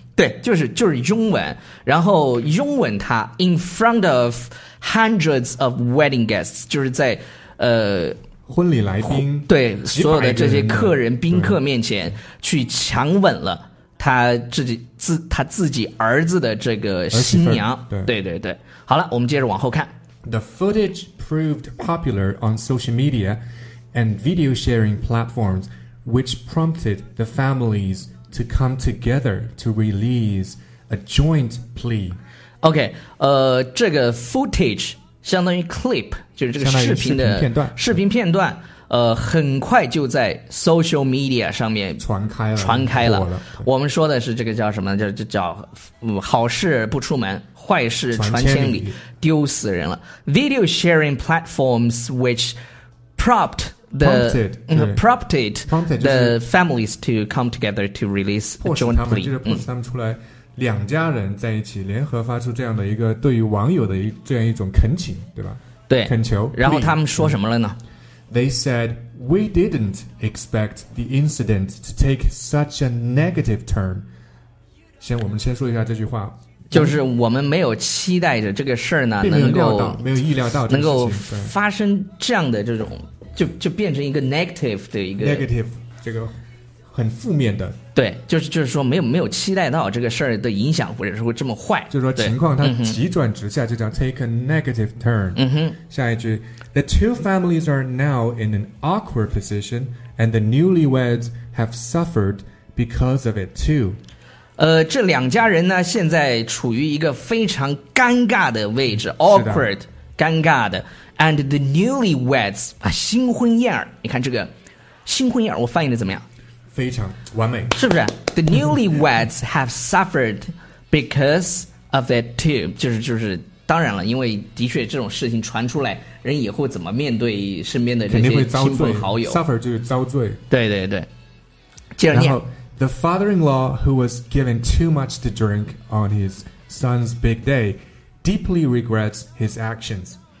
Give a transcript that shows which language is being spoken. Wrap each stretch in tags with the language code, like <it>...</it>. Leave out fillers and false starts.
<zh>对，就是拥吻，然后拥吻他</zh> <en>in front of hundreds of wedding guests，</en> <zh>就是在婚礼来宾，对所有的这些客人宾客面前去强吻了。他自己儿子的这个新娘，对对对。好了，我们接着往后看。</zh> <en>The footage proved popular on social media and video sharing platforms, which prompted the families to come together to release a joint plea.</en> <zh>OK， 这个 footage 相当于 clip， 就是这个视频片段。很快就在 social media 上面传开了。我们说的是这个叫什么？叫好事不出门，坏事传千里，丢死人了。</zh> <en>Video sharing platforms which prompted the families to come together to release a joint plea。</en> <zh>迫使他们就是他们出来，两家人在一起联合发出这样的一个对于网友的这样一种恳请，对吧？对，恳求。然后他们说什么了呢？</zh> <en>They said, we didn't expect the incident to take such a negative turn.</en> <zh>我们先说一下这句话。就是我们没有期待着这个事儿呢，没有意料到能够发生这样的这种，就变成一个 negative 的一个 negative 这个很负面的，对，就是说没有期待到这个事儿的影响或者是会这么坏，就是说情况它急转直下，就叫</zh> <en>take a negative turn。</en> <zh>嗯哼，下一句</zh> <en>The two families are now in an awkward position and the newlyweds have suffered because of it too。</en> <zh>这两家人呢现在处于一个非常尴尬的位置， awkward 尴尬的，</zh> <en>and the newlyweds、</en> <zh>啊、新婚燕尔，你看这个新婚燕尔我翻译的怎么样，非常完美，是不是？</zh> <en>The newlyweds have suffered because of it too。</en> <zh>就是当然了，因为的确这种事情传出来，人以后怎么面对身边的这些亲朋好友， suffer 就是遭罪，对对对。接着念，然后</zh> <en>The father-in-law who was given too much to drink on his son's big day deeply regrets his actions。</en>